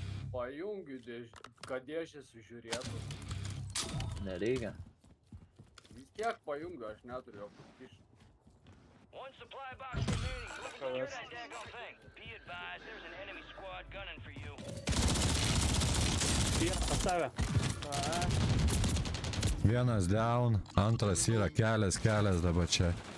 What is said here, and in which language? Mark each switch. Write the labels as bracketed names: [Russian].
[Lithuanian] Pajungiu kad dėžės žiūrėtų. Nereikia. Vis tiek pajungiu, aš neturiu pakišti. [English] One supply box remaining. Look at that dango thing. Be advised, there's an enemy squad gunning for you. [Lithuanian] Vienas pas tave. Vienas down, antras yra kelias dabar čia.